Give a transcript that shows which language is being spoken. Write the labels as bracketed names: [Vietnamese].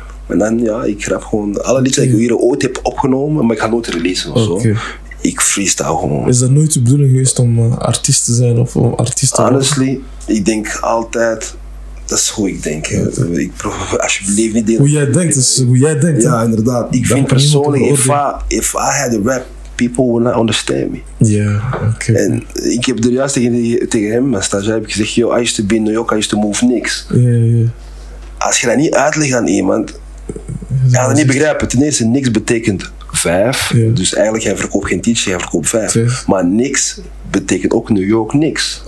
[Dutch] En dan, ik grap gewoon alle liedjes die ik hier ooit heb opgenomen, maar ik ga nooit releasen of zo. Ik freestyle gewoon. Is dat nooit de bedoeling geweest om artiest te zijn of om artiest te worden? Honestly, ik denk altijd, dat is hoe ik denk. Okay. Ik probeer alsjeblieft niet... Hoe jij denkt. Ja, inderdaad. Ik vind persoonlijk, [English] if I had a rap, people would not understand me. [Dutch] Ja, oké. En ik heb er juist tegen hem, mijn stagiair, heb ik gezegd, yo, [English] I used to be in New York, I used to move [Dutch] niks. Ja. Als je dat niet uitlegt aan iemand, ja, dat niet begrijpen. Ten eerste, niks betekent 5. Ja. Dus eigenlijk, jij verkoopt geen t-shirt, jij verkoopt 5. Maar niks betekent ook New York niks.